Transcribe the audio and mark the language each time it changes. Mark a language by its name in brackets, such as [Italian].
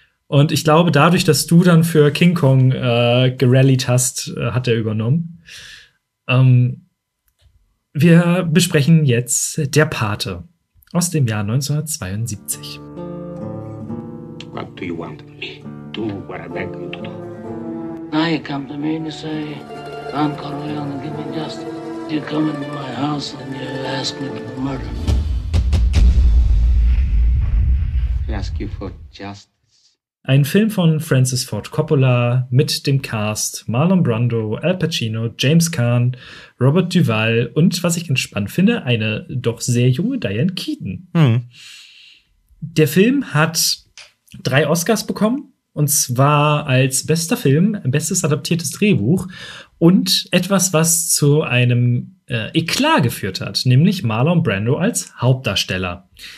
[German] Und ich glaube, dadurch, dass du dann für King Kong gerallied hast, hat er übernommen. Wir besprechen jetzt Der Pate aus dem Jahr 1972. [English] What do you want me? Do what I beg you to do. Now you come to me and you say, I'm Corleone, give me justice. You come into my house and you ask me for murder. I ask you for justice. [German] Ein Film von Francis Ford Coppola mit dem Cast Marlon Brando, Al Pacino, James Caan, Robert Duvall und, was ich ganz spannend finde, eine doch sehr junge Diane Keaton. Der Film hat 3 Oscars bekommen. Und zwar als bester Film, bestes adaptiertes Drehbuch und etwas, was zu einem Eklat geführt hat, nämlich Marlon Brando als Hauptdarsteller.